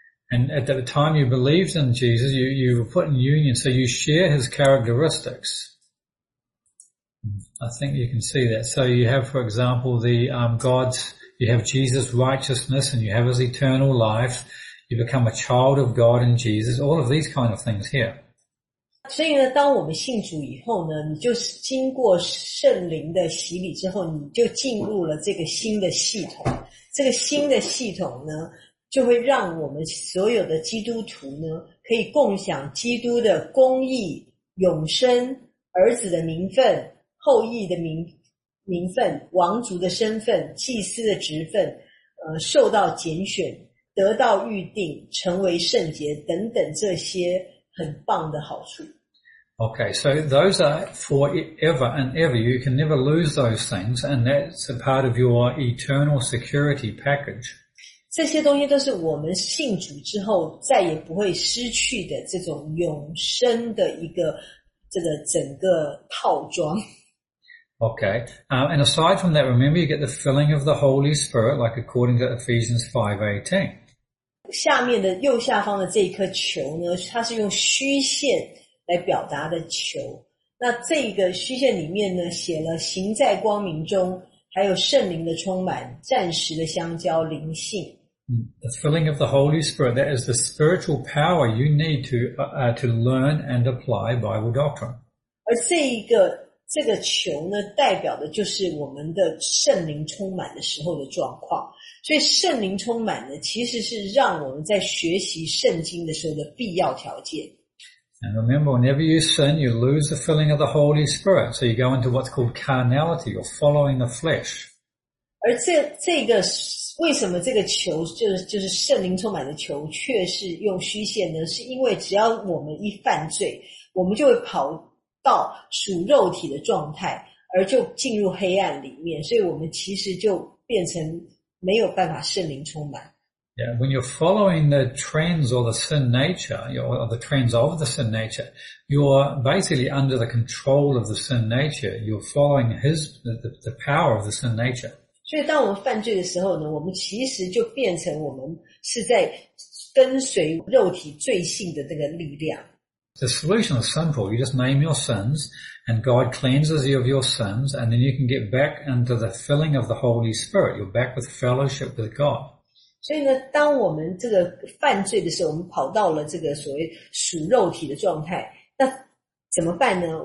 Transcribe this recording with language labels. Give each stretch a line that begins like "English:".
English: And at the time you believed in Jesus, you were put in union, so you share his characteristics. I think you can see that. So you have, for example, the God's, you have Jesus' righteousness and you have his eternal life. You become a child of God in Jesus, all of these kind of things here.
Chinese: 所以呢，当我们信主以后呢，你就是经过圣灵的洗礼之后，你就进入了这个新的系统。这个新的系统呢，就会让我们所有的基督徒呢，可以共享基督的公义、永生、儿子的名分、后裔的名分、王族的身份、祭司的职分，受到拣选、得到预定、成为圣洁等等这些。很棒的好处。
English: Okay, so those are forever and ever. You can never lose those things, and that's a part of your eternal security package.
Chinese: 这些东西都是我们信主之后再也不会失去的这种永生的一个这个整个套装。
English: Okay, and aside from that, remember you get the filling of the Holy Spirit, like according to Ephesians 5:18.
Chinese: 下面的右下方的这一颗球呢，它是用虚线来表达的球。那这个虚线里面呢，写了行在光明中，还有圣灵的充满，暂时的相交，灵性。
English: The filling of the Holy Spirit, that is the spiritual power you need to learn and apply Bible doctrine.
Chinese: 而这个球呢，代表的就是我们的圣灵充满的时候的状况。所以圣灵充满呢，其实是让我们在学习圣经的时候的必要条件。
English: And remember, whenever you sin, you lose the filling of the Holy Spirit. So you go into what's called carnality, or following the flesh.
Chinese: 而这个为什么这个球就是圣灵充满的球，却是用虚线呢？是因为只要我们一犯罪，我们就会跑到属肉体的状态，而就进入黑暗里面，所以我们其实就变成没有办法圣灵充满。
English: Yeah, when you're following the trends or the sin nature, or the trends of the sin nature, you're basically under the control of the sin nature. You're following the power of the sin nature.
Chinese: 所以当我们犯罪的时候呢，我们其实就变成我们是在跟随肉体罪性的这个力量。
English: The solution is simple. You just name your sins, and God cleanses you of your sins, and then you can get back into the filling of the Holy Spirit. You're back with fellowship with God.
Chinese: 所以呢，当我们这个犯罪的时候，我们跑到了这个所谓属肉体的状态，那怎么办呢？